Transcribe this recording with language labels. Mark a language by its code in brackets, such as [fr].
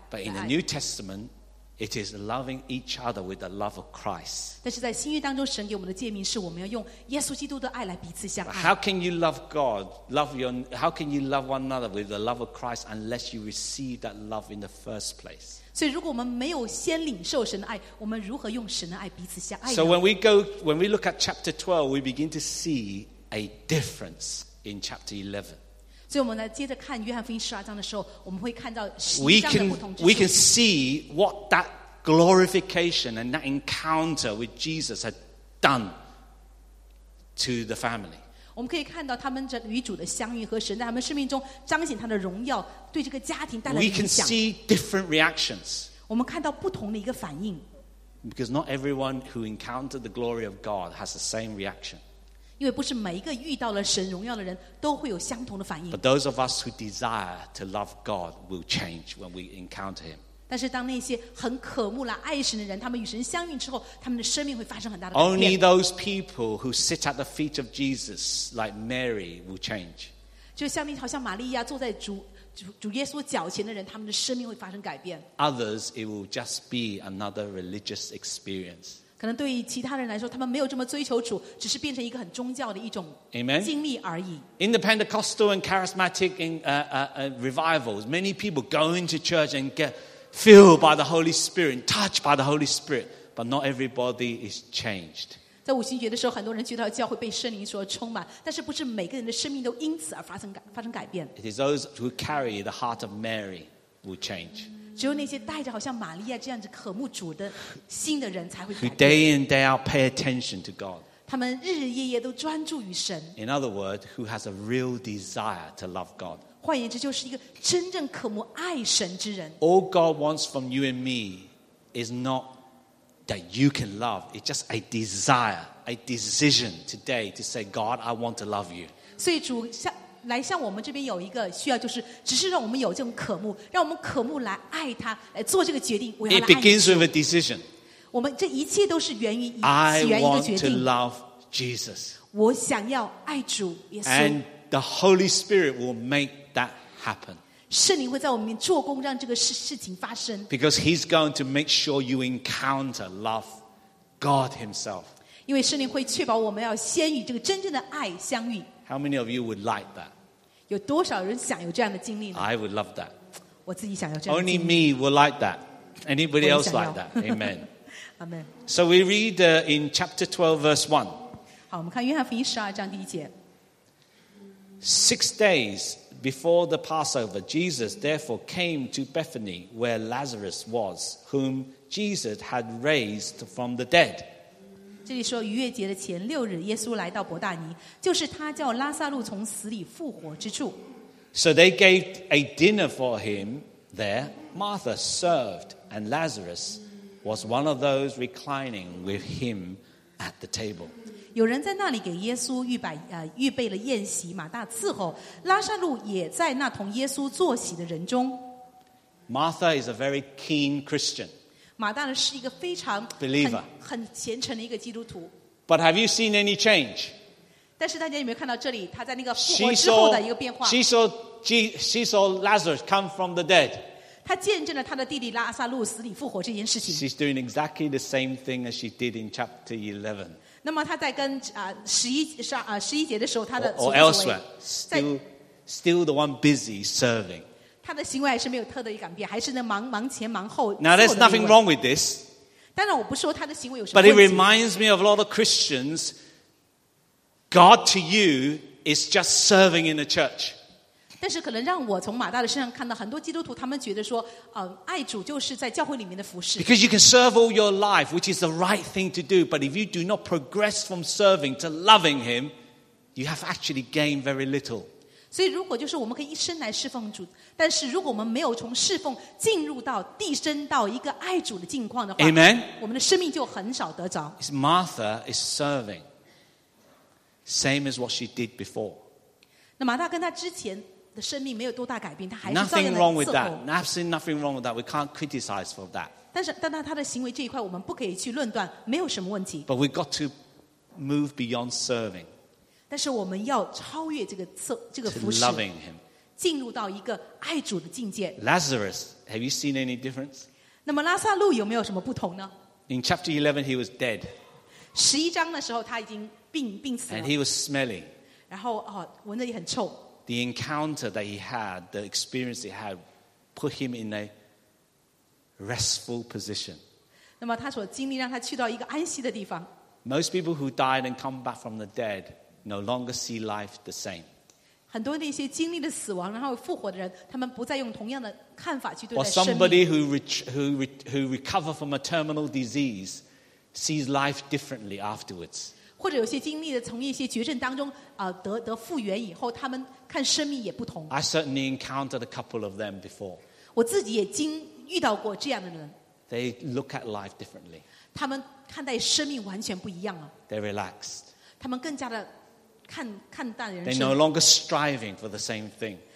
[en] But in the New Testament, it is loving each other with the love of Christ. [zh] 但是在新约当中，神给我们的诫命是我们要用耶稣基督的爱来彼此相爱。 [en] How can you love God, how can you love one another with the love of Christ unless you receive that love in the first place? [zh] 所以如果我们没有先领受神的爱，我们如何用神的爱彼此相爱呢？ [en] So when we look at chapter 12, we begin to see a difference in chapter 11. [zh] 所以我们来接着看约翰福音十二章的时候，我们会看到十一章的不同之处。 [en] We can see what that glorification and that encounter with Jesus had done to the family. [zh] 我们可以看到他们与主的相遇和神在他们生命中彰显他的荣耀，对这个家庭带来影响。 [en] We can see different reactions. [zh] 我们看到不同的一个反应。 [en] Because not everyone who encountered the glory of God has the same reaction. [zh] 因为不是每一个遇到了神荣耀的人都会有相同的反应。 [en] But those of us who desire to love God will change when we encounter Him. [zh] 但是当那些很渴慕来爱神的人，他们与神相遇之后，他们的生命会发生很大的改变。 [en] Only those people who sit at the feet of Jesus, like Mary, will change. [zh] 就像那好像玛利亚坐在主耶稣脚前的人，他们的生命会发生改变。 [en] Others, it will just be another religious experience. [zh] 可能对于其他人来说，他们没有这么追求主，只是变成一个很宗教的一种经历而已。 [en] Amen. In the Pentecostal and charismatic revivals, many people go into church and get filled by the Holy Spirit, touched by the Holy Spirit, but not everybody is changed. [zh] 在五旬节的时候，很多人去到教会被圣灵所充满，但是不是每个人的生命都因此而发生改变。 [en] It is those who carry the heart of Mary will change. [zh] 只有那些带着好像玛利亚这样子渴慕主的心的人才会改变。 [en] Who day in day out pay attention to God. [zh] 他们日日夜夜都专注于神。 [en] In other words, who has a real desire to love God. [zh] 换言之就是一个真正渴慕爱神之人。 [en] All God wants from you and me is not that you can love. It's just a desire, a decision today to say, God, I want to love you. [zh] 所以主来向我们这边有一个需要，就是只是让我们有这种渴慕，让我们渴慕来爱他，来做这个决定。我要来爱你。 [en] It begins with a decision. [zh] 我们这一切都是源于一个决定。 [en] I want to love Jesus. [zh] 我想要爱主耶稣。 [en] And the Holy Spirit will make that happen. [zh] 圣灵会在我们做工，让这个事情发生。 [en] Because He's going to make sure you encounter love, God Himself. [zh] 因为圣灵会确保我们要先与这个真正的爱相遇。 [en] How many of you would like that? [zh] 有多少人想有这样的经历呢? [en] I would love that. [zh] 我自己想要这样的经历。 [en] Only me would like that. Anybody else like that? Amen. Amen. So we read in chapter 12, verse 1. [zh] 好，我们看约翰福音十二章第一节。 [en] Six days before the Passover, Jesus therefore came to Bethany where Lazarus was, whom Jesus had raised from the dead. [zh] 这里说逾越节的前六日，耶稣来到伯大尼，就是他叫拉撒路从死里复活之处。 [en] So they gave a dinner for him there. Martha served, and Lazarus was one of those reclining with him at the table. [zh] 有人在那里给耶稣预备了宴席，马大伺候，拉撒路也在那同耶稣坐席的人中。 [en] Martha is a very keen Christian. [zh] 马大呢是一个非常 很虔诚的一个基督徒。 [en] But have you seen any change? [zh] 但是大家有没有看到这里？他在那个复活之后的一个变化。 [en] She saw Lazarus come from the dead. [zh] 他见证了他的弟弟拉撒路死里复活这件事情。 [en] She's doing exactly the same thing as she did in chapter 11. [zh] 那么他在跟十一节的时候，他的 [en] or elsewhere still the one busy serving. [zh] 他的行为还是没有特别的改变，还是能忙前忙后。 [en] Now there's nothing wrong with this. [zh] 当然，我不说他的行为有什么问题。 [en] But it reminds me of a lot of Christians. God to you is just serving in the church. [zh] 但是可能让我从马大的身上看到很多基督徒，他们觉得说，爱主就是在教会里面的服事。 [en] Because you can serve all your life, which is the right thing to do, but if you do not progress from serving to loving Him, you have actually gained very little. [zh] 所以如果就是我们可以一生来侍奉主，但是如果我们没有从侍奉进入到递升到一个爱主的境况的话， [en] Amen? [zh] 我们的生命就很少得着。 [en] Martha is serving same as what she did before. [zh] 那马大跟她之前的生命没有多大改变，她还是照样的伺候。 [en] Nothing wrong with that. Absolutely nothing wrong with that. We can't criticize for that. [zh] 但是但她的行为这一块我们不可以去论断，没有什么问题。 [en] But we've got to move beyond serving. [zh] 但是我们要超越这个服侍， [en] loving him. [zh] 进入到一个爱主的境界。 [en] Lazarus, have you seen any difference? [zh] 那么拉撒路有没有什么不同呢？ [en] In chapter 11, he was dead. [zh] 十一章的时候他已经 病死了。 [en] And he was smelly. [zh] 然后、哦、闻得也很臭。 [en] The encounter that he had, the experience he had, put him in a restful position. [zh] 那么他所经历让他去到一个安息的地方。 [en] Most people who died and come back from the dead,No longer see life the same. [zh] 很多那些经历了死亡然后复活的人，他们不再用同样的看法去对待生命。 [en] Or somebody who recover from a terminal disease sees life differently afterwards. [zh] 或者有些经历了从一些绝症当中得复原以后，他们看生命也不同。 [en] I certainly encountered a couple of them before. [zh] 我自己也遇到过这样的人。 [en] They look at life differently. [zh] 他们看待生命完全不一样了。 [en] They're relaxed. [zh] 他们更加的看淡人生。 [en] They no longer striving for the same thing.